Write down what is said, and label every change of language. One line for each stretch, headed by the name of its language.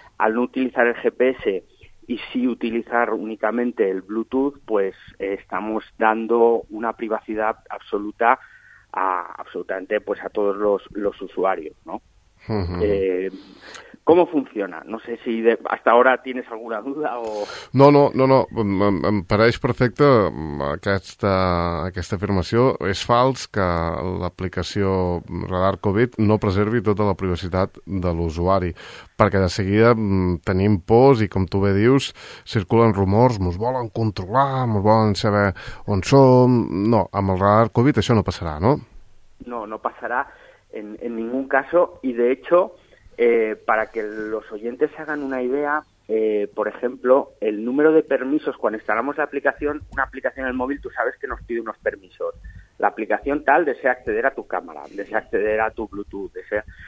Spanish: Al no utilizar el GPS y sí utilizar únicamente el Bluetooth, pues estamos dando una privacidad absoluta a todos los usuarios, ¿no? Uh-huh. ¿Cómo funciona? No sé si hasta ahora tienes alguna duda o... No.
Catalan: Em pareix perfecte aquesta afirmació. És fals que l'aplicació Radar Covid no preservi tota la privacitat de l'usuari, perquè de seguida tenim pors i, com tu bé dius, circulen rumors, ens volen controlar, ens volen saber on som... No, amb el Radar Covid això no passarà, no? No passarà
Spanish: en ningún caso y, de hecho... Para que los oyentes se hagan una idea, por ejemplo, el número de permisos, cuando instalamos la aplicación, una aplicación en el móvil, tú sabes que nos pide unos permisos. La aplicación tal desea acceder a tu cámara, desea acceder a tu Bluetooth, desea...